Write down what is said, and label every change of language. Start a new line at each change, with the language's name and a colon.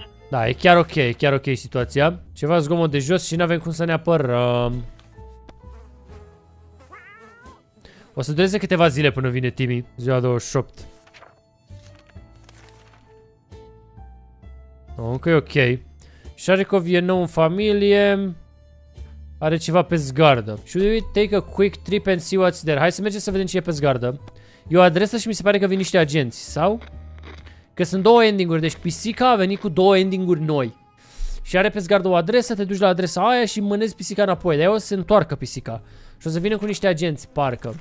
Romanian: Da, e chiar ok, e chiar ok situația. Ceva zgomot de jos și n-avem cum să ne apărăm. O să dureze câteva zile până vine Timmy, ziua 28. Încă e ok. Sharikov e nou în familie. Are ceva pe zgardă.
English: Should we take a quick trip and see what's there?
Romanian: Hai să mergem să vedem ce e pe zgardă. E o adresă și mi se pare că vin niște agenți, sau? Că sunt 2 endinguri, deci pisica a venit cu 2 endinguri noi. Și are pe zgardă o adresă, te duci la adresa aia și mânezi pisica înapoi. De-aia o să se întoarcă pisica. Și o să vină cu niște agenți, parcă.